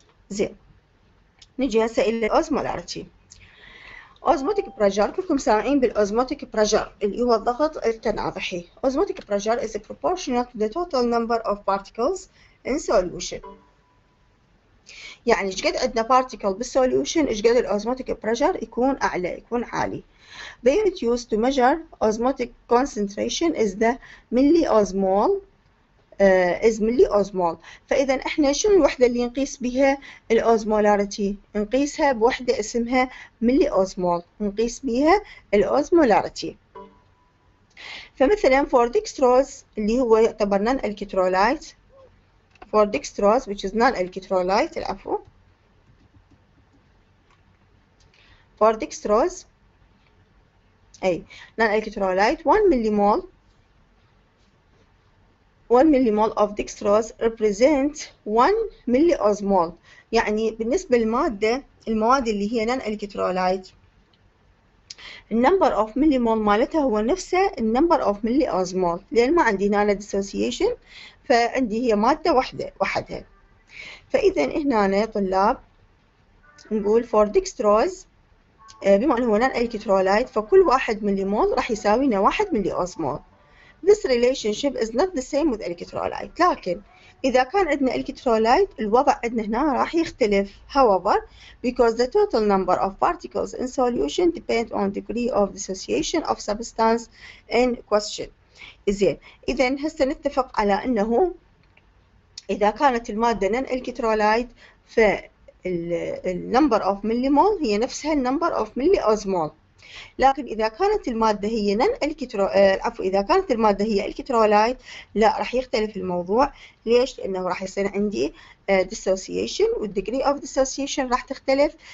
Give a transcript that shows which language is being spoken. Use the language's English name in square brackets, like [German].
[Arabic] زين، نجي هسه إلى الأوزمولاريتي. اوزموتيك بريشر، كلكم سامعين بالاوزموتيك بريشر اللي هو الضغط التناضحي. اوزموتيك بريشر [English] is proportional to the total number of particles in solution، [Arabic] يعني ايش قد عندنا بارتيكل بالسوليوشن ايش قد الاوزموتيك بريشر يكون اعلى، يكون عالي. [English] They are used to measure osmotic concentration is the milliosmol is milliosmol. [Arabic] فاذا احنا شنو الوحده اللي نقيس بها الاوزمولاريتي؟ نقيسها بوحده اسمها milliosmol، نقيس بها الاوزمولاريتي. فمثلا فور ديكستروز اللي هو يعتبر نان الكترولايت، فور ديكستروز which is نان الكترولايت، العفو، فور ديكستروز اي نان الكترولايت 1 ملي مول، 1 مليمول [English] of dextrose represent [Arabic] 1 ملي اوزمول. يعني بالنسبة للمادة، المواد اللي هي نان الكترولايت، النمبر اوف مليمول مالتها هو نفسه النمبر اوف ملي اوزمول، لأن ما عندي نان ديسوسيشن، فعندي هي مادة وحدها. فإذا هنا طلاب نقول for dextrose بما انه هو نان الكترولايت، فكل واحد مليمول راح يساوي لنا 1 ملي اوزمول. [English] This relationship is not the same with electrolyte. [Arabic] لكن إذا كان عندنا electrolyte الوضع عندنا هنا راح يختلف. [English] However, because the total number of particles in solution depend on degree of dissociation of substance in question. [Arabic] إذن هسه نتفق على أنه إذا كانت المادة نن الكترولايت، فالنمبر أوف ملي مول هي نفسها النمبر أوف ملي أوزمول. لكن إذا كانت المادة هي نن الكترو عفوا إذا كانت المادة هي الكترولايت، لا راح يختلف الموضوع. ليش؟ لأنه راح يصير عندي ديسوسيشن، والديجري أوف ديسوسيشن راح تختلف.